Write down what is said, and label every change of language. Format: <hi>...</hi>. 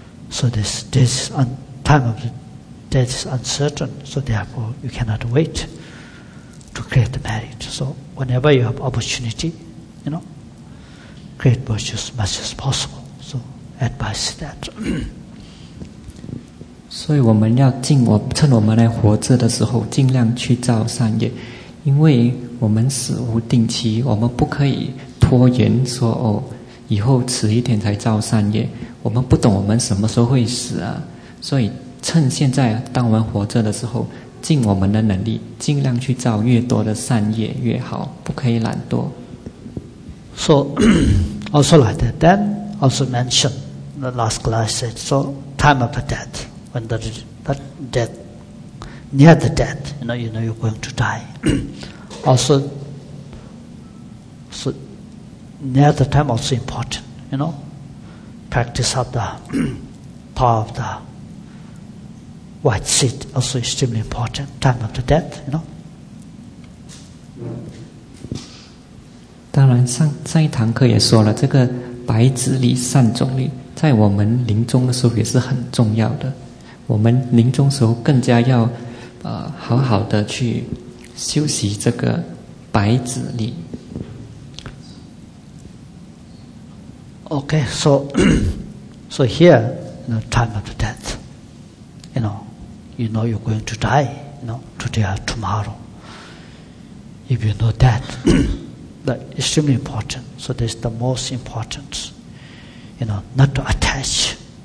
<en>So time of death is uncertain, so therefore you cannot wait to create the merit. So whenever you have opportunity, you know, create virtues as much as possible. So advise that.</en> <zh>所以我们要趁我们来活着的时候尽量去造善业，因为我们死无定期，我们不可以拖延说哦，以后迟一点才造善业，我们不懂我们什么时候会死啊，所以趁现在当我们活着的时候尽我们的能力尽量去造越多的善业越好，不可以懒惰。</zh> <en>So also like that, then also mentioned the last class said, so time of the deathWhen the death, near the death, you know you're going to die. Also, so near the time also important, you know. Practice of the power of the white seed also extremely important. Time of the death, you know.</en> <zh>当然上一堂课也说了，这个白子力、善种力在我们临终的时候也是很重要的。我们临终时候更加要好好的去修习这个白子力。</zh> <en>OK, so here, you know, time of the death, you know you're going to die, you know, today or tomorrow. If you know that, that's extremely important, so that's the most important, you know, not to attach.</en>